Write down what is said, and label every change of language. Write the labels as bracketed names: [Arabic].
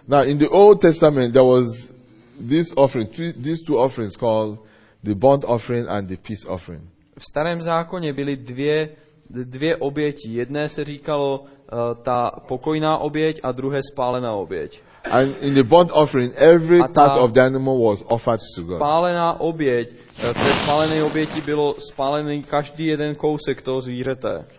[English] Now in the Old Testament there was this offering, these two offerings called the bond offering and the peace offering. [Czech] V starém zákoně byly dvě oběti. Jedné se říkalo ta pokojná oběť a druhé spálená oběť. [English] And in the bond offering, every part of the animal was offered to God. [Czech] Spálená oběť, v té spálené oběti bylo spálený každý jeden kousek toho zvířete.